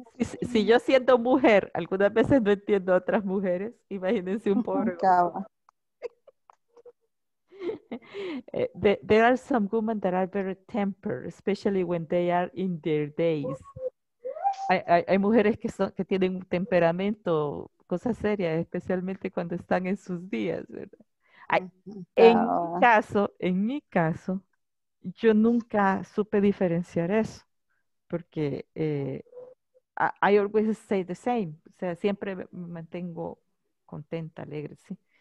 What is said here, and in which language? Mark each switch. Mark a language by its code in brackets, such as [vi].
[es] Si yo siendo mujer, algunas veces no entiendo a otras mujeres, imagínense un pobre. [en] There are some women that are very tempered, especially when they are in their days. [es] Hay mujeres que tienen un temperamento, cosa seria, especialmente cuando están en sus días, ¿verdad? En mi caso, yo nunca supe diferenciar eso, porque [en] I always stay the same, [es] o sea, siempre me mantengo contenta, alegre, ¿sí?